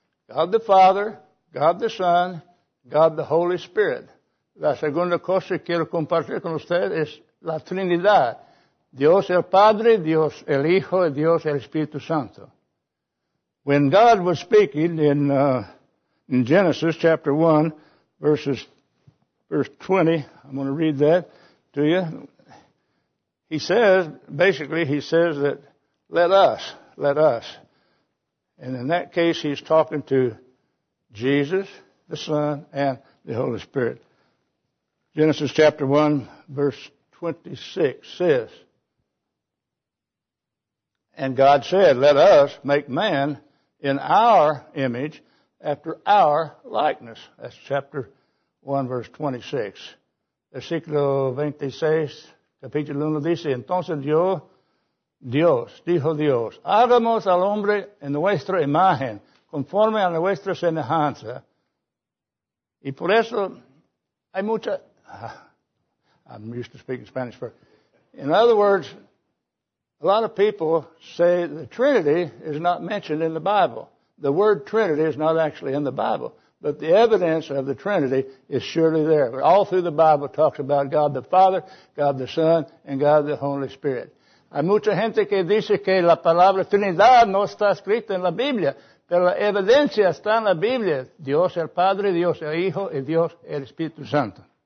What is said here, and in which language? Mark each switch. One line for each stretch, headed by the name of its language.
English: God the Father, God the Son, God the Holy Spirit.
Spanish: La segunda cosa que quiero compartir con usted es la Trinidad. Dios el Padre, Dios el Hijo, y Dios el Espíritu Santo.
English: When God was speaking in Genesis chapter 1, verse 20, I'm going to read that to you. He says that let us. And in that case, he's talking to Jesus, the Son, and the Holy Spirit. Genesis chapter 1, verse 26 says, and God said, let us make man in our image after our likeness. That's chapter 1, verse 26.
Spanish: Versículo 26, capítulo 1 dice, entonces dijo Dios, hagamos al hombre en nuestra imagen, conforme a nuestra semejanza. Y por eso hay mucha...
English: I'm used to speaking Spanish first. In other words, a lot of people say the Trinity is not mentioned in the Bible. The word Trinity is not actually in the Bible. But the evidence of the Trinity is surely there. All through the Bible talks about God the Father, God the Son, and God the Holy Spirit.
Spanish: Hay mucha gente que dice que la palabra Trinidad no está escrita en la Biblia, pero la evidencia está en la Biblia. Dios el Padre, Dios el Hijo, y Dios el Espíritu Santo.